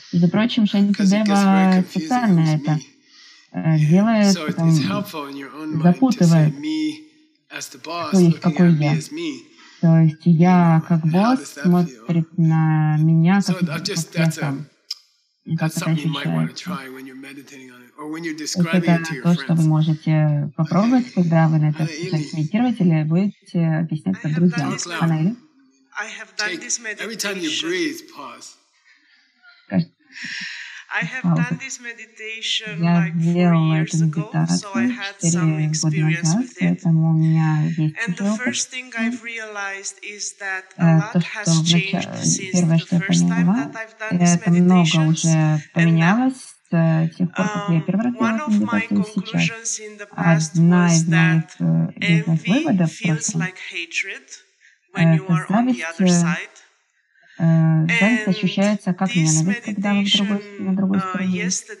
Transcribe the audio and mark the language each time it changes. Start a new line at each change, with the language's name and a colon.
Russian: Между прочим, Шанти Дева специально это делает, запутывает, кто есть какой я. То есть я как босс смотрит на меня как я.
English: That's something you might want to try when you're meditating on it, or when you're describing it to your friends.
Russian: Вы можете попробовать, когда вы на это медитируете, или будете объяснять это друзьям.
English: I have done this meditation. Every time you breathe, pause. I have done this meditation like 4 years ago, so I had some experience with it. And the first thing I've realized is that a lot has changed since the first time that I've done this meditation. One of my conclusions in the past was that envy feels like hatred when you are on the other side.
Russian: Зависть ощущается как ненависть, когда вы на другой стороне.